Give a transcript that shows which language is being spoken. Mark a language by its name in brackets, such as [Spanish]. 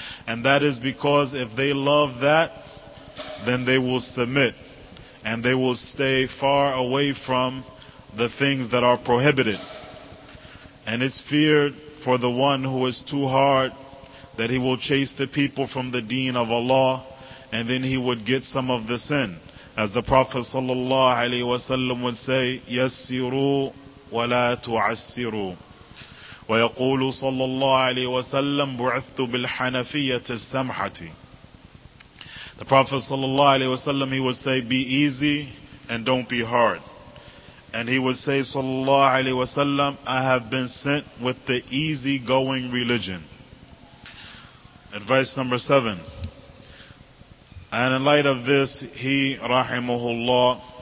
[English] And that is because if they love that, then they will submit and they will stay far away from the things that are prohibited. And it's feared for the one who is too hard that he will chase the people from the deen of Allah and then he would get some of the sin. As the Prophet sallallahu alaihi wasallam would say, [Arabic] يَسِّرُوا وَلَا تُعَسِّرُوا وَيَقُولُ صَلَّى اللَّهُ عَلَيْهِ وَسَلَّمُ بُعِثْتُ بِالْحَنَفِيَّةِ السَّمْحَةِ. [English] The Prophet sallallahu alaihi wasallam, he would say, be easy and don't be hard. And he would say, sallallahu alaihi wasallam, I have been sent with the easygoing religion. Advice number 7. And in light of this, he, rahimahullah,